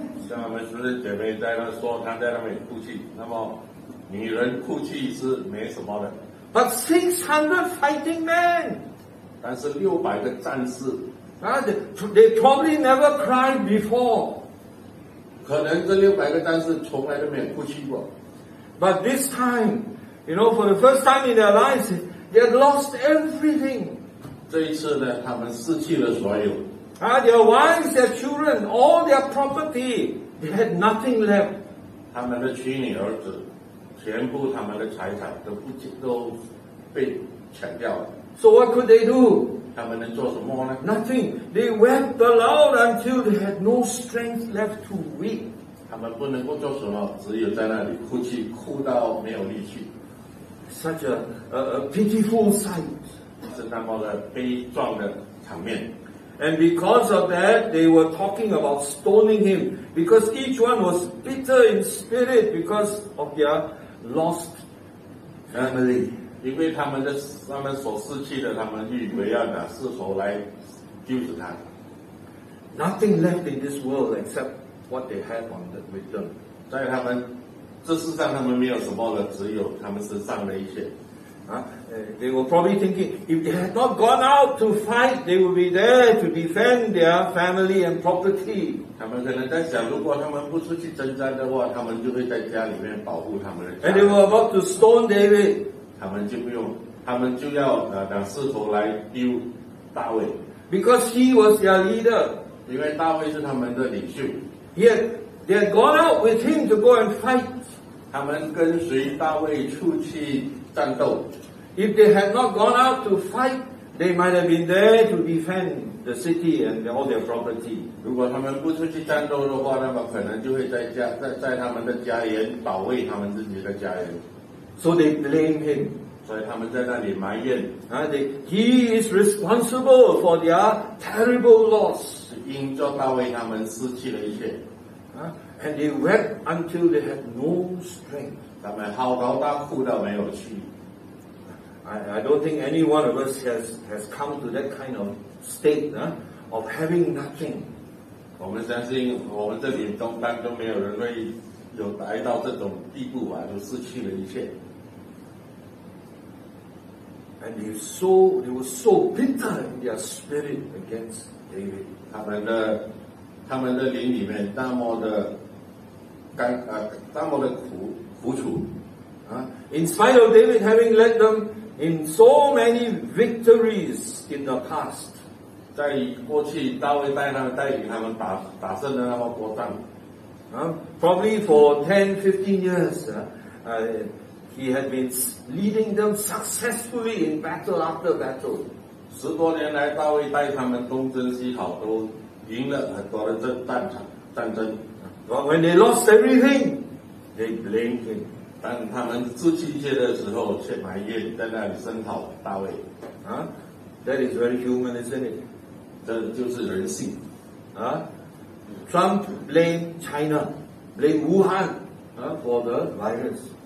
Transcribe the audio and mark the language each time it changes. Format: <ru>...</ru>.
<zh>像我们是不是姐妹在那说，她在那边哭泣，那么女人哭泣是没什么的。</zh> <en>But 600 fighting men!</en> <zh>但是600个战士</zh> <en>they probably never cried before.</en> <zh>可能这600个战士从来都没有哭泣过。</zh> <en>But this time, you know, for the first time in their lives,They had lost everything.</en> <zh>这一次呢，他们失去了所有。</zh> <en>Their wives, their children, all their property, they had nothing left.</en> <zh>他们的妻女儿子，全部他们的财产都被抢掉了。</zh> <en>So what could they do?</en> <zh>他们能做什么呢？</zh> <en>Nothing. They wept aloud until they had no strength left to weep.</en> <zh>他们不能够做什么，只有在那里哭泣，哭到没有力气。</zh> <en>Such a pitiful sight.</en> <zh>是那么的悲壮的场面。</zh> <en>And because of that, they were talking about stoning him. Because each one was bitter in spirit because of their lost family.</en> <zh>因为他们所失去的，他们以为要拿石头来救死他。</zh> <en>Nothing left in this world except what they had on the return.</en> <zh>在他们这世上他们没有什么的，只有他们身上的一些。</zh> <en>They were probably thinking, if they had not gone out to fight, they would be there to defend their family and property.</en> <zh>他们可能在想，如果他们不出去征战的话，他们就会在家里面保护他们的家。</zh> <en>And they were about to stone David.</en> <zh>他们就要拿石头来丢大卫。</zh> <en>Because he was their leader.</en> <zh>因为大卫是他们的领袖。</zh> <en>Yet, they had gone out with him to go and fight.</en> <zh>他们跟随大卫出去战斗。</zh> <en>If they had not gone out to fight, they might have been there to defend the city and all their property.</en> <zh>如果他们不出去战斗的话，那么可能就会在他们的家园保卫他们自己的家园。</zh> <en>So they blame him.</en> <zh>所以他们在那里埋怨。</zh> <en>He is responsible for their terrible loss.</en> <zh>因着大卫他们失去了一切。</zh> <en>And they wept until they had no strength.</en> <zh>他们嚎啕大哭到没有气。</zh> <en>I don't think any one of us has come to that kind of state, of having nothing.</en> <zh>我们相信我们这里当中没有人会有达到这种地步啊，就失去了一切。</zh> <en>And they were so bitter in their spirit against David.</en> <zh>他们的灵里面那么的干啊，那么的苦楚</zh> <en>啊。In spite of David having led them in so many victories in the past,</en> <zh>在过去大卫带领他们打胜了那么多仗</zh> <en>啊。Probably for 10-15 years, he had been leading them successfully in battle after battle.</en> <zh>十多年来，大卫带他们东征西讨都。赢了很多的战争</zh> <en>But when they lost everything, they blamed him.</en> <zh>当他们失去一切的时候，却埋怨在那里声讨大卫。</zh> <en>That is very human, isn't it?</en> <zh>这就是人性。</zh> <en>Trump blamed China, blamed Wuhan, for the virus.</en>